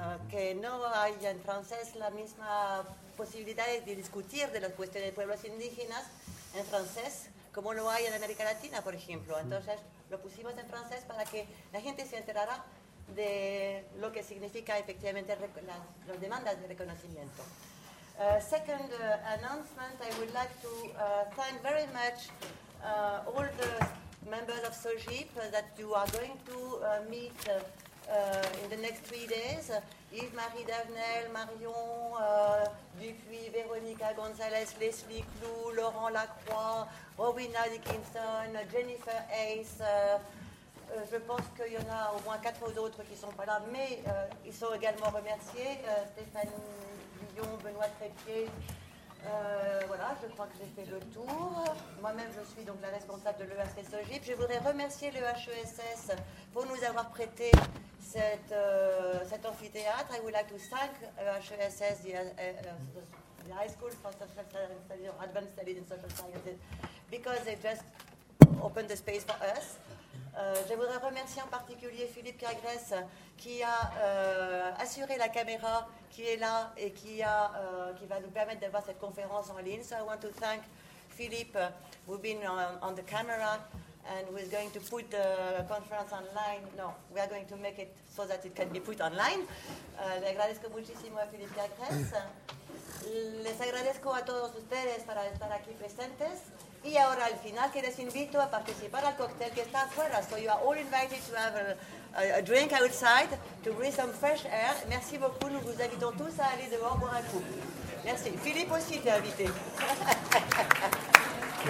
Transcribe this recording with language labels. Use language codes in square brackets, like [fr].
[es] Que no hay en francés la misma posibilidad de discutir de las cuestiones de pueblos indígenas en francés, como lo hay en América Latina, por ejemplo. Entonces, lo pusimos en francés para que la gente se enterara de lo que significa efectivamente las demandas de reconocimiento. [en] Second announcement, I would like to thank very much all the members of SOGIP that you are going to meet in the next 3 days. Yves-Marie Davenel, Marion Dupuis, Veronica Gonzalez, Leslie Clou, Laurent Lacroix, Robina Dickinson, Jennifer Ace. [fr] Je pense qu'il y en a au moins 4 autres qui ne sont pas là, mais ils sont également remerciés. Stéphanie Guillon, Benoît Trépied. Voilà, je crois que j'ai fait le tour. Moi-même, je suis donc la responsable de l'EHSS-OGIP. Je voudrais remercier l'EHESS pour nous avoir prêté cet amphithéâtre. [en] I would like to thank EHESS, the High School for Social Studies, Advanced Studies in Social Sciences, because they just opened the space for us. [fr] Je voudrais remercier en particulier Philippe Cagresse qui a assuré la caméra qui est là et qui va nous permettre d'avoir cette conférence en ligne. [en] So I want to thank Philippe who's been on the camera and who is going to put the conference online. No, we are going to make it so that it can be put online. [es] Le agradezco muchísimo a Philippe Cagresse. Les agradezco a todos ustedes para estar aquí presentes. Y ahora al final que les invito a participar al cóctel que está afuera. [en] So you are all invited to have a drink outside to breathe some fresh air. [fr] Merci beaucoup. Nous vous invitons tous à aller dehors boire un coup. Merci. Philippe aussi t'es invité. ¿Me puede dar un libro o está para la venta? ¿Una copia?